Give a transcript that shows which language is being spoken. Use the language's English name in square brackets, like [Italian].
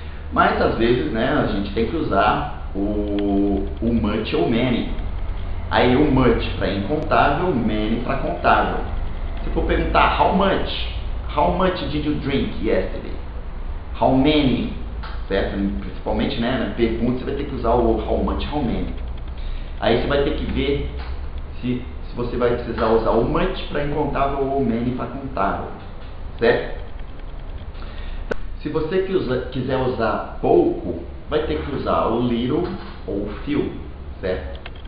[Portuguese] Mas, às vezes, né, a gente tem que usar o much ou many. Aí, o much para incontável, many para contável. Se for perguntar, [English] how much did you drink yesterday? [Portuguese] How many? Certo? Principalmente, né, na pergunta, você vai ter que usar o how much, how many. Aí, você vai ter que ver se você vai precisar usar o much para incontável ou many para contável. Certo? Se você quiser usar pouco, vai ter que usar o little ou o few, certo?